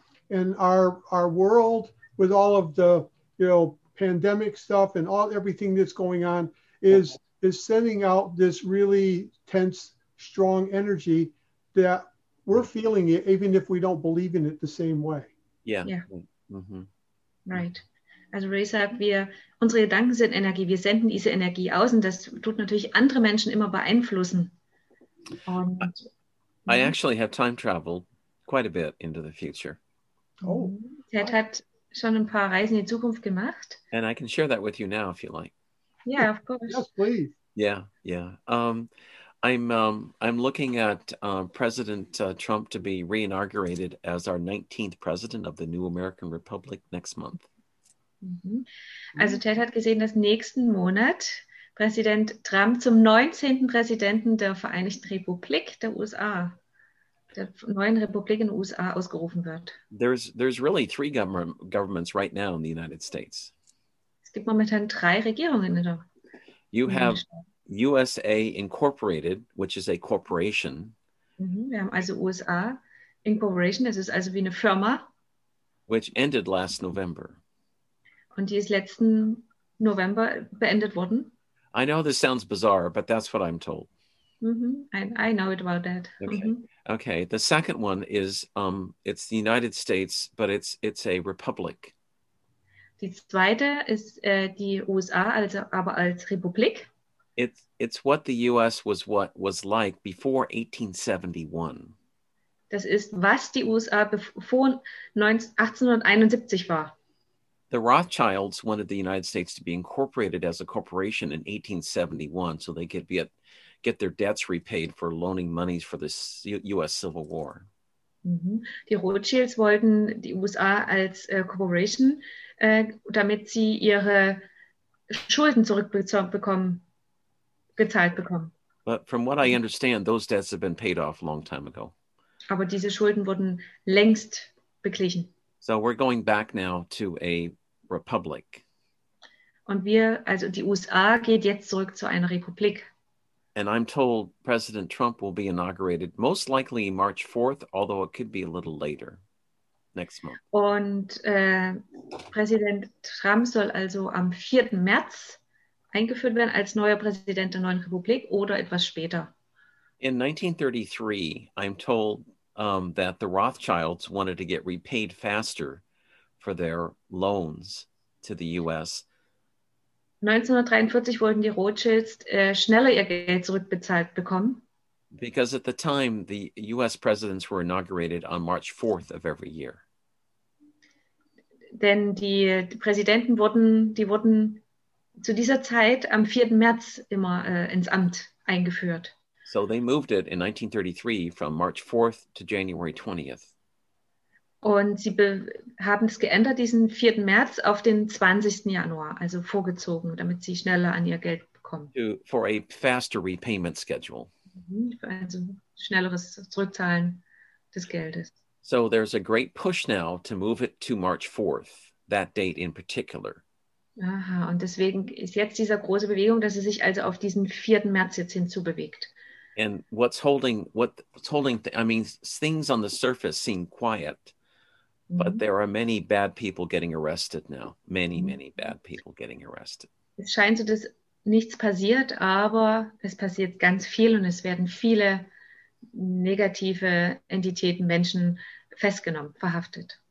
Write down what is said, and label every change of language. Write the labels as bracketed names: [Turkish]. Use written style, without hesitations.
[English] And our world, with all of the, you know, pandemic stuff and all everything that's going on, is sending out this really tense, strong energy that we're feeling it, even if we don't believe in it the same way. Yeah. Yeah. Mm-hmm. Right. [German] Also Ray sagt, unsere Gedanken sind Energie. Wir senden diese Energie aus, und das tut natürlich andere Menschen immer beeinflussen. Und, [English] I actually have time traveled quite a bit into the future. Oh. [German] Ted hat schon ein paar Reisen in die Zukunft gemacht. [English] And I can share that with you now if you like. Yeah, of course. Yes, please. Yeah, yeah. I'm looking at President Trump to be re-inaugurated as our 19th president of the new American Republic next month. Mm-hmm. [German] Also Ted hat gesehen, dass nächsten Monat Präsident Trump zum 19. Präsidenten der Vereinigten Republik der USA, der neuen Republik in den USA ausgerufen wird. [English] There's really three governments right now in the United States. [German] Es gibt momentan drei Regierungen in der [English] You have USA Incorporated, which is a corporation. Mm-hmm. [German] Wir haben also USA Incorporation, das ist also wie eine Firma. [English] Which ended last November. [German] Und die ist letzten November beendet worden. [English] I know this sounds bizarre, but that's what I'm told. Mm-hmm. I know it about that. Okay. Mm-hmm. Okay. The second one is it's the United States, but it's a republic. [German] Die zweite ist die USA, also aber als Republik. [English] It's what the U.S. was like before 1871. [German] Das ist, was die USA vor 1871 war. [English] The Rothschilds wanted the United States to be incorporated as a corporation in 1871 so they could get their debts repaid for loaning monies for the U.S. Civil War. Mm-hmm. [German] Die Rothschilds wollten die USA als Corporation, damit sie ihre Schulden zurückbekommen. Gezahlt bekommen. [English] But from what I understand, those debts have been paid off a long time ago. [German] Aber diese Schulden wurden längst beglichen. [English] So we're going back now to a republic. [German] Und also die USA geht jetzt zurück zu einer Republik. [English] And I'm told President Trump will be inaugurated most likely March 4th, although it could be a little later, next month. [German] Und Präsident Trump soll also am 4. März eingeführt werden als neuer Präsident der neuen Republik oder etwas später. [English] In 1933, I'm told that the Rothschilds wanted to get repaid faster for their loans to the U.S. [German] 1943 wollten die Rothschilds schneller ihr Geld zurückbezahlt bekommen. [English] Because at the time, the U.S. presidents were inaugurated on March 4th of every year. [German] Denn die Präsidenten wurden zu dieser Zeit am 4. März immer ins Amt eingeführt. [English] So they moved it in 1933 from March 4th to January 20th. [German] Und sie haben es geändert, diesen 4. März auf den 20. Januar, also vorgezogen, damit sie schneller an ihr Geld bekommen. [English] For a faster repayment schedule. [German] Also schnelleres Zurückzahlen des Geldes. [English] So there's a great push now to move it to March 4th, that date in particular. [German] Aha, und deswegen ist jetzt dieser große Bewegung, dass sie sich also auf diesen 4. März jetzt hinzubewegt. [English] And what's holding, I mean, things on the surface seem quiet, mm-hmm. but there are many bad people getting arrested now. Many, many bad people getting arrested. [German] Es scheint so, dass nichts passiert, aber es passiert ganz viel und es werden viele negative Entitäten, Menschen festgenommen, verhaftet.